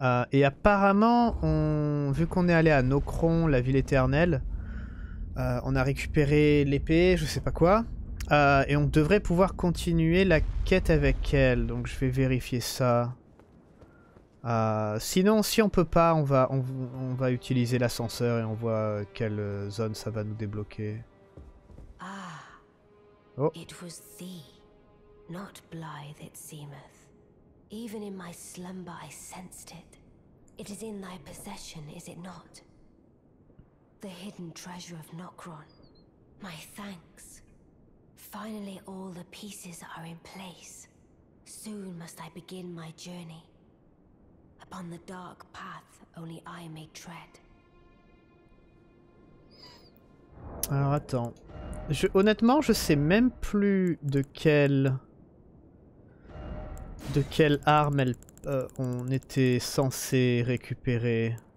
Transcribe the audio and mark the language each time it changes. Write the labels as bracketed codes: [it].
[fr] Et apparemment, vu qu'on est allé à Nokron, la ville éternelle, on a récupéré l'épée, je sais pas quoi, et on devrait pouvoir continuer la quête avec elle, donc je vais vérifier ça. Sinon, si on peut pas, on va utiliser l'ascenseur et on voit quelle zone ça va nous débloquer. Ah, oh. [en] It was thee, not Blythe, it seemeth. Even in my slumber, I sensed it. It is in thy possession, is it not? The hidden treasure of Nokron. My thanks. Finally, all the pieces are in place. Soon must I begin my journey. Upon the dark path, only I may tread. [fr] Alors attends, honnêtement, je sais même plus de quelle arme on était censé récupérer.